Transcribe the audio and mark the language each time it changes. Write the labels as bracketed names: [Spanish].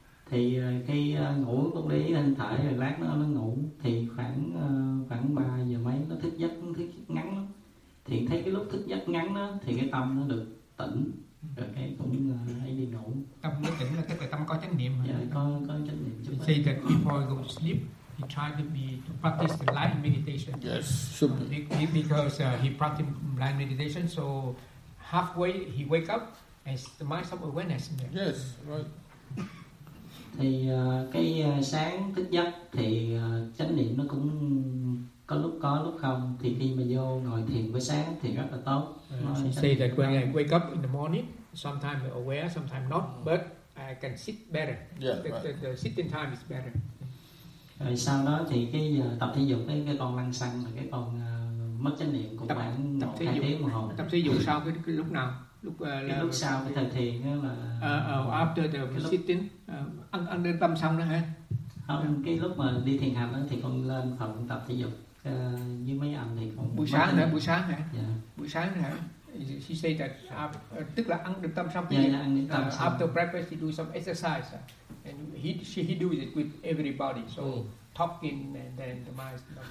[Vietnamese] Thì khi ngủ con để ý thân thể rồi lát nó ngủ, thì khoảng khoảng 3 giờ mấy nó thức giấc, ngắn lắm. Thì thấy cái lúc thức giấc ngắn đó, thì cái tâm nó được tỉnh. [English] Before you go to sleep, he tried to be to practice the light meditation. Yes. Because he practiced light meditation, so halfway he wake up and the mind of awareness. Yes, right. [Vietnamese] Thì cái sáng thức giấc thì chánh niệm nó cũng có lúc có lúc không, thì khi mà vô ngồi thiền với sáng thì rất là tốt. [English] Say that when I wake up in the morning, sometimes aware, sometimes not, but I can sit better. Yeah, the sitting time is better. [Vietnamese] Rồi sau đó thì cái tập thể dục cái con lăn xăng là cái con mất chánh niệm cũng khoảng 2 tiếng một hồi. Tập thể dục sau cái lúc nào? Lúc sau cái thời thiền đó là [English] after the sitting, [Vietnamese] ăn lên tâm xong đó hả? Không, cái lúc mà đi thiền hành đó thì con lên phòng tập thể dục. Như mấy anh thì còn buổi sáng hả? Buổi sáng hả? [English] Yeah. [Vietnamese] Buổi sáng hả? [English] She say that [Vietnamese] tức là ăn được tâm xong thì [English] after breakfast she do some exercise and she do it with everybody, so talking and then the mind.